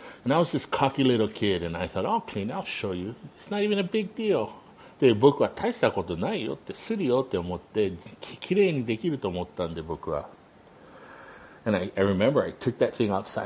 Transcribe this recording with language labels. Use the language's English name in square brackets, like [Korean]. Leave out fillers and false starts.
[English] And I was this cocky little kid and I thought, I'll show you. It's not even a big deal. [Japanese] で、僕は大したことないよって、するよって思って、きれいにできると思ったんで、僕は。 [English] And I remember I took that thing outside.